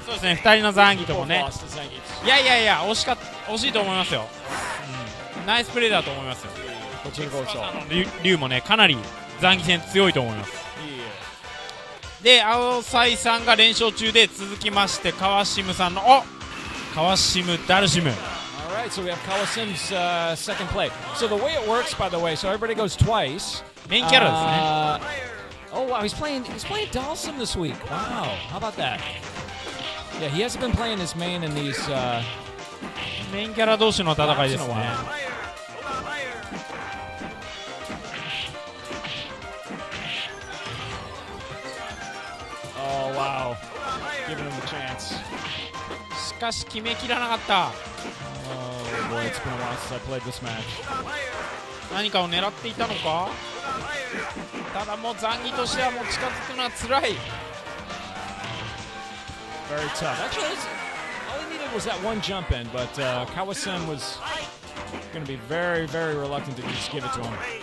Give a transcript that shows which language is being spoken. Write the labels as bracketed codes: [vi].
[ja] そうですね、2人のザンギともね。いやいやいや、惜しいと思いますよ、うん、ナイスプレーだと思いますよ。こっちの竜もね、かなりザンギ戦強いと思います。で、アオサイさんが連勝中で、続きましてカワシムさんの、お、カワシム、ダルシム。 [en] Alright, so we have Kawasim's second play. So the way it works, by the way, so everybody goes twice. [ja] Main キャラですね。 [en] Oh wow, he's playing Dalsim this week. Wow, how about that? Yeah, he hasn't been playing his main in these [ja] main キャラ同士の戦いですね。 [en] Fire! Fire! Oh wow, giving him a chance. [ja] しかし決めきらなかった。 [en] Boy, it's been a while since I played this match. [ja] 何かを狙っていたのか。ただもうザンギとしてはもう近づくのはつらい。 [en] Very tough. Actually, all he needed was that one jump in, but Kawasim was going to be very, very reluctant to just give it to him.